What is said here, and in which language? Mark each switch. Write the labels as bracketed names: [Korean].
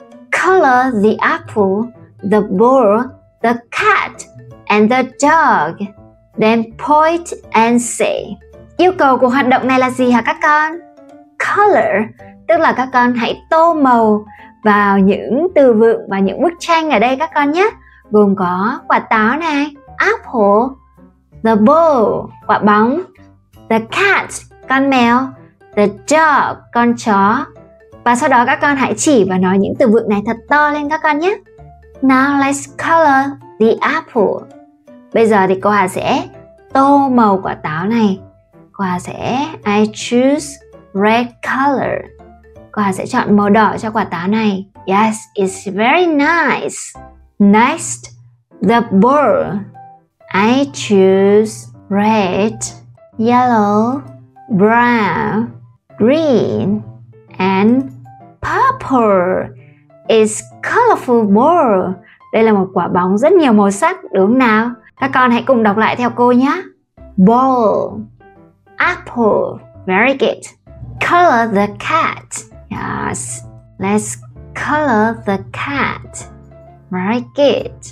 [English] Color the apple, the ball, the cat, and the dog. Then point and say. [Vietnamese] Yêu cầu của hoạt động này là gì hả các con? Color, tức là các con hãy tô màu vào những từ vựng và những bức tranh ở đây các con nhé. Gồm có quả táo này, apple, the ball, quả bóng, the cat, con mèo, the dog, con chó. Và sau đó các con hãy chỉ và nói những từ vựng này thật to lên các con nhé. [English] Now let's color the apple. [Vietnamese] Bây giờ thì cô Hà sẽ tô màu quả táo này. Cô Hà sẽ [English] I choose red color. [Vietnamese] Quả sẽ chọn màu đỏ cho quả táo này. [English] Yes, it's very nice. Next, the ball. I choose red, yellow, brown, green, and purple. It's colorful ball. [Vietnamese] Đây là một quả bóng rất nhiều màu sắc, đúng không nào? Các con hãy cùng đọc lại theo cô nhé. [English] Ball, apple, very good. Color the cat. Yes, let's color the cat. Very good.